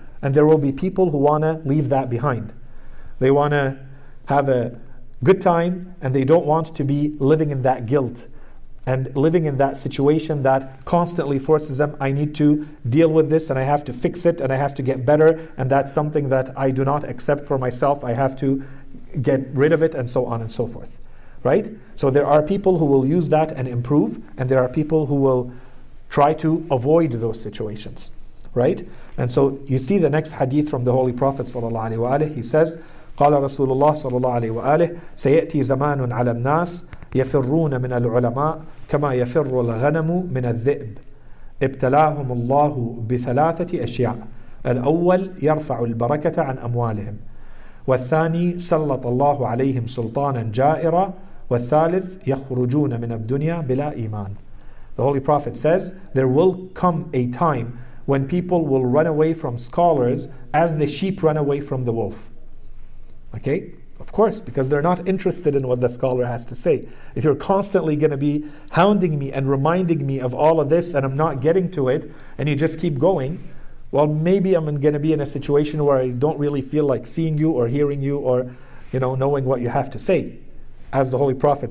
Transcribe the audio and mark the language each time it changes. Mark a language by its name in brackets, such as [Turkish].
[English] And there will be people who want to leave that behind. They want to have a good time and they don't want to be living in that guilt and living in that situation that constantly forces them, I need to deal with this and I have to fix it and I have to get better, and that's something that I do not accept for myself. I have to get rid of it and so on and so forth. Right? So there are people who will use that and improve, and there are people who will try to avoid those situations. Right? And so you see the next hadith from the Holy Prophet sallallahu alaihi wa alihi, he says, [Arabic] قال رسول الله صلى الله عليه وآله سيأتي زمان على الناس يفرون من العلماء كما يفر الغنم من الذئب ابتلاهم الله بثلاثة أشياء الأول يرفع البركة عن أموالهم والثاني سلط الله عليهم سلطانا جائرا والثالث يخرجون من الدنيا بلا إيمان. [English] The Holy Prophet says, there will come a time when people will run away from scholars as the sheep run away from the wolf. Okay? Of course, because they're not interested in what the scholar has to say. If you're constantly going to be hounding me and reminding me of all of this and I'm not getting to it, and you just keep going, well, maybe I'm going to be in a situation where I don't really feel like seeing you or hearing you or, you know, knowing what you have to say as the Holy Prophet.